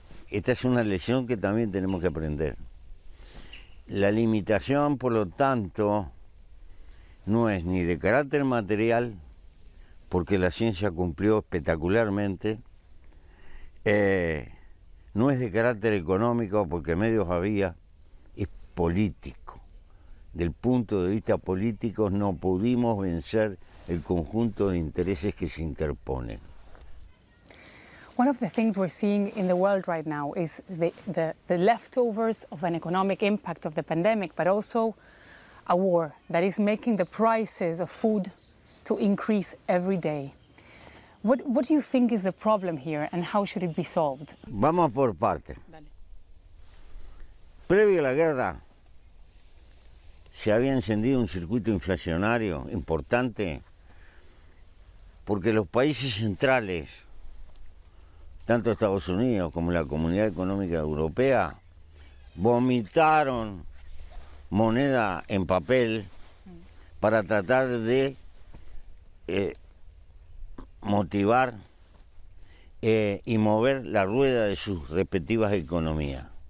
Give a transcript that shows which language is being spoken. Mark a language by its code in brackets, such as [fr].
[es] Esta es una lección que también tenemos que aprender. La limitación, por lo tanto, no es ni de carácter material, porque la ciencia cumplió espectacularmente, no es de carácter económico, porque medios había, es político. Del punto de vista político, no pudimos vencer el conjunto de intereses que se interponen. [en] One of the things we're seeing in the world right now is the leftovers of an economic impact of the pandemic, but also a war that is making the prices of food to increase every day. What do you think is the problem here and how should it be solved? [es] Vamos por parte. Previo a la guerra, se había encendido un circuito inflacionario importante. Porque los países centrales, tanto Estados Unidos como la Comunidad Económica Europea, vomitaron moneda en papel para tratar de motivar y mover la rueda de sus respectivas economías.